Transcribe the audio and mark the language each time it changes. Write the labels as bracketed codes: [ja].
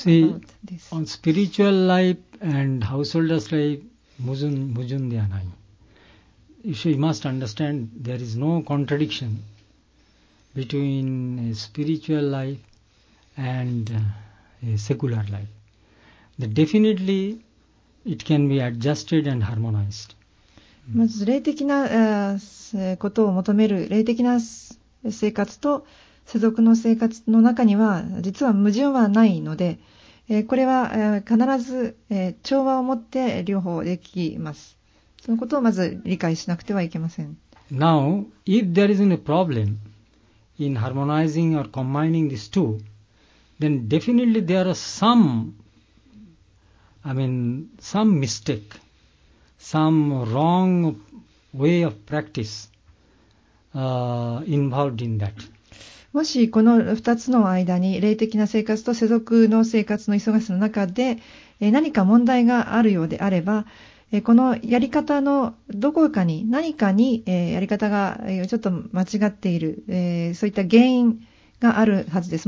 [en] See, on spiritual life and householder's life, mujun diya nahi. You must understand there is no contradiction between a spiritual life and a secular life. That definitely it can be adjusted and harmonized. [ja] まず霊的なことを求める霊的な生活と世俗の生活の中には実は矛盾はないのでこれは必ず調和を持って両方できますそのことをまず理解しなくてはいけません。 [en] Now, if there is a problem in harmonizing or combining these two, then definitely there are some mistakeSome wrong way of practice involved in that. [ja] もしこの2つの間に霊的な生活と世俗の生活の忙しさの中で何か問題があるようであればこのやり方のどこかに何かにやり方がちょっと間違っているそういった原因があるはずです。